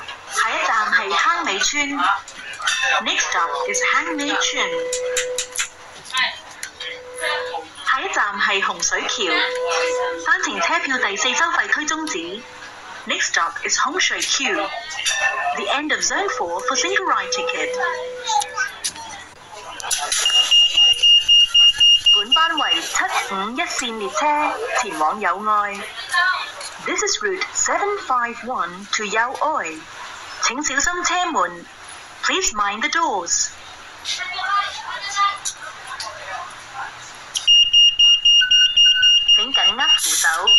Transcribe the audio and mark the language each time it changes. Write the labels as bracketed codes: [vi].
[zh] 下一站是坑尾村。 [en] Next stop is [zh] 坑尾村。下一站是洪水桥。单程车票第四收费区终止。 [en] Next stop is 洪水桥。 The end of zone 4 for single ride ticket. [zh] 本班为751线列车，前往友爱。 [en] This is route 751 to 友爱， [zh] 请小心车门。 [en] Please mind the doors. [zh] 请紧握扶手。